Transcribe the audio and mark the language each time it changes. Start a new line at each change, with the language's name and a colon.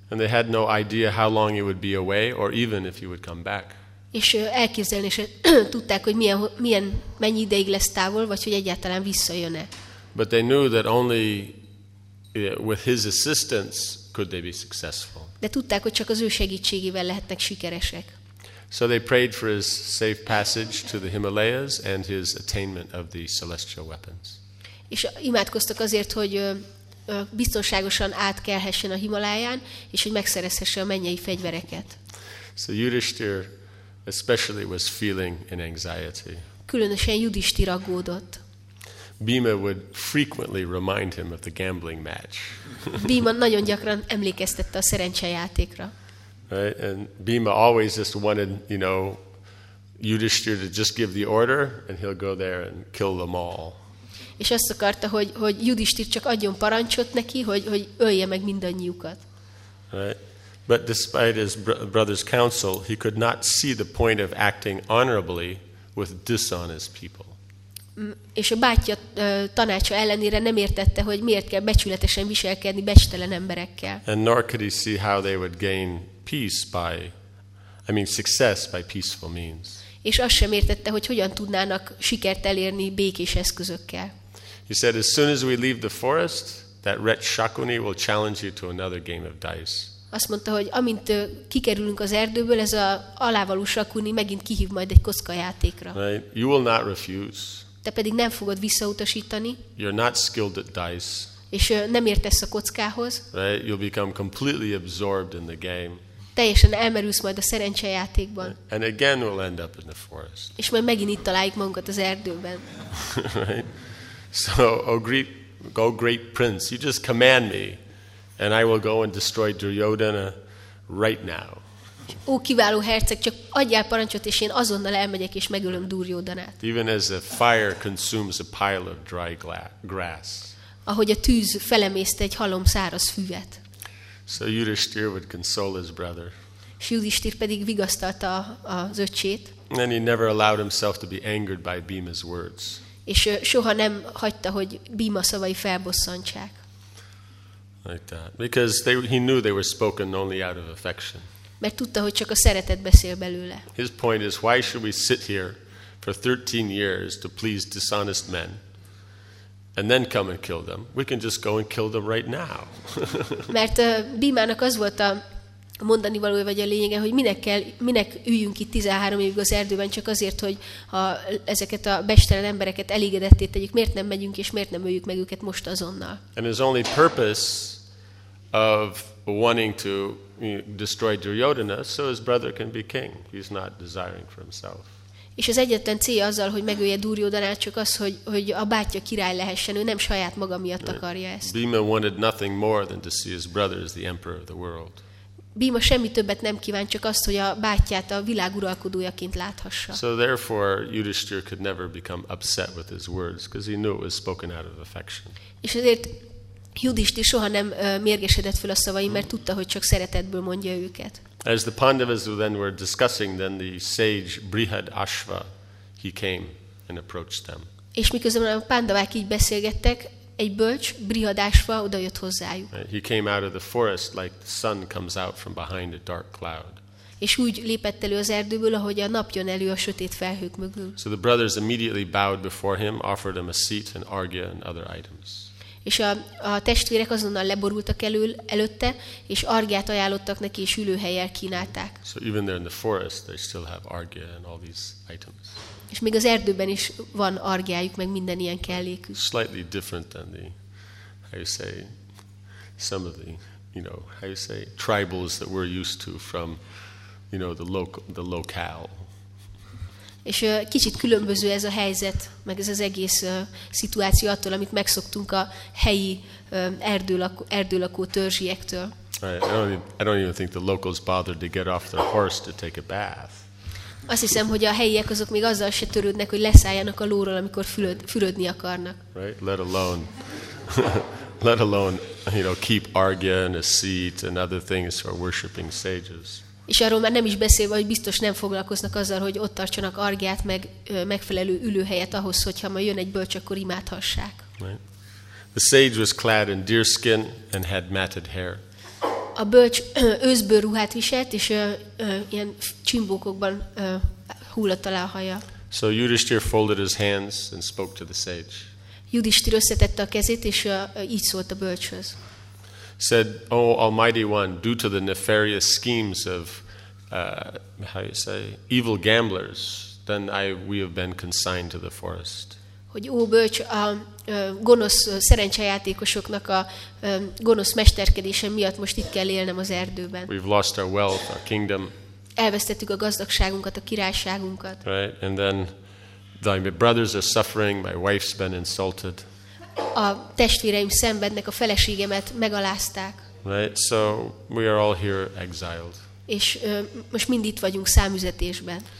English: And they had no idea how long he would be away, or even if he would come back.
Hungarian: És elképzelni se tudták, hogy milyen mennyi ideig lesz távol, vagy hogy egyáltalán visszajön-e.
English: But they knew that only with his assistance could they be successful.
Hungarian: De tudták, hogy csak az ő segítségével lehetnek sikeresek.
English: So they prayed for his safe passage to the Himalayas and his attainment of the celestial weapons.
Hungarian: És imádkoztak azért, hogy biztonságosan átkelhessen a Himaláján, és hogy megszerezhesse a mennyei fegyvereket.
English: So Yudhishthir especially was feeling an anxiety.
Hungarian: Különösen Yudhishthir aggódott.
English: Bhima would frequently remind him of the gambling match.
Hungarian: Bhima nagyon gyakran emlékeztette a szerencsejátékra.
English: Right? And Bhima always just wanted, you know, Yudhishthira to just give the order and he'll go there and kill them all.
Hungarian: És azt akarta, hogy Yudhishthira csak adjon parancsot neki, hogy ölje meg mindannyiukat.
English: Right? But despite his brother's counsel, he could not see the point of acting honorably with dishonest people.
Hungarian: És a bátyja tanácsa ellenére nem értette, hogy miért kell becsületesen viselkedni becstelen emberekkel.
English: And nor could he see how they would gain peace by, I mean success by peaceful means.
Hungarian: És azt sem értette, hogy hogyan tudnának sikert elérni békés eszközökkel.
English: He said, as soon as we leave the forest, that wretch Shakuni will challenge you to another game of dice.
Hungarian: Azt mondta, hogy amint kikerülünk az erdőből, ez a alávaló Shakuni megint kihív majd egy kockajátékra.
English: Right? You will not refuse.
Hungarian: Te pedig nem fogod visszautasítani.
English: You're not skilled at dice.
Hungarian: És nem értesz a kockához.
English: Right? You'll become completely absorbed in the game.
Hungarian: Teljesen elmerülsz majd a szerencsejátékban.
English: And again we'll end up in the forest.
Hungarian: És majd megint itt találjuk magunkat az erdőben.
English: Right? So, O great prince, you just command me. And I will go and destroy Duryodhana right now.
Hungarian: Ó, kiváló herceg, csak adjál parancsot, és én azonnal elmegyek és megölöm Duryodhanát.
English: Even as a fire consumes a pile of dry grass.
Hungarian: Ahogy a tűz felemészte egy halom száraz füvet.
English: So Yudhishthira would console his brother.
Hungarian: És Yudhishthira pedig vigasztalta az öcsét.
English: And he never allowed himself to be angered by Bhima's words.
Hungarian: És soha nem hagyta, hogy Bhima szavai felbosszantsák.
English: Like that, because he knew they were spoken only out of affection.
Hungarian: Mert tudta, hogy csak a szeretet beszél belőle.
English: His point is, why should we sit here for 13 years to please dishonest men, and then come and kill them? We can just go and kill them right now.
Hungarian: Mert Bhimának az volt a mondani való vagy a lényege, hogy minek üljünk itt 13 évig az erdőben csak azért, hogy ezeket a becstelen embereket elégedetté tegyük, miért nem megyünk és miért nem öljük meg őket most azonnal.
English: And his only purpose of wanting to destroy Duryodhana so his brother can be king. He's not desiring for himself.
Hungarian: És az egyetlen célja azzal, hogy megölje Duryodhanát, csak az, hogy a bátyja király lehessen, ő nem saját maga miatt akarja ezt.
English: Bhima wanted nothing more than to see his brother as the emperor of the world.
Hungarian: Bhima semmi többet nem kíván, csak azt, hogy a bátyját a világ uralkodójaként láthassa.
English: So therefore Yudhishthira could never become upset with his words, because he knew it was spoken out of affection.
Hungarian: És ezért Yudhishthira soha nem mérgesedett fel a szavaim, mert tudta, hogy csak szeretetből mondja őket.
English: As the Pandavas then were discussing, then the sage Brihadashva, he came and approached them.
Hungarian: És miközben a Pandavák így beszélgettek, egy bölcs, Brihadashva odajött hozzájuk.
English: He came out of the forest like the sun comes out from behind a dark cloud.
Hungarian: És úgy lépett elő az erdőből, ahogy a nap jön elő a sötét felhők mögül.
English: So the brothers immediately bowed before him, offered him a seat and argya and other items.
Hungarian: És a testvérek azonnal leborultak előtte, és argyát ajánlottak neki, és ülőhelyel kínálták.
English: So even there in the forest they still have argya and all these items.
Hungarian: És még az erdőben is van argyájuk, meg minden ilyen kellékük.
English: Slightly different than the, how you say, some of the, you know, how you say, tribals that we're used to from, you know, the locale.
Hungarian: És kicsit különböző ez a helyzet, meg ez az egész szituáció attól, amit megszoktunk a helyi erdőlakó törzsiektől.
English: I don't even think the locals bothered to get off their horse to take a bath.
Hungarian: Azt hiszem, hogy a helyiek azok még azzal se törődnek, hogy leszálljanak a lóról, amikor fürödni akarnak.
English: Right, let alone, you know, keep argya and a seat and other things for worshiping sages.
Hungarian: És arról már nem is beszélve, hogy biztos nem foglalkoznak azzal, hogy ott tartsanak argyát, meg megfelelő ülőhelyet ahhoz, hogyha majd jön egy bölcs, akkor imádhassák.
English: Right. The sage was clad in deerskin and had matted hair.
Hungarian: A bölcs őszbőr ruhát viselt, és ilyen csimbókokban hullott alá a haja.
English: So Yudhishthira folded his hands and spoke to the sage.
Hungarian: Yudhishthira összetette a kezét, és így szólt a bölcshöz.
English: Said, O Almighty One, due to the nefarious schemes of, how you say, evil gamblers, then we have been consigned to the forest.
Hungarian: Hogy ó bölcs, a gonosz szerencsejátékosoknak a gonosz mesterkedése miatt most itt kell élnem az erdőben.
English: We've lost our wealth, our kingdom.
Hungarian: Elvesztettük a gazdagságunkat, a királyságunkat.
English: Right, and then my brothers are suffering, my wife's been insulted.
Hungarian: A testvéreim szenvednek, a feleségemet megalázták.
English: Right, so we are all here exiled.
Hungarian: És most mind itt vagyunk számüzetésben.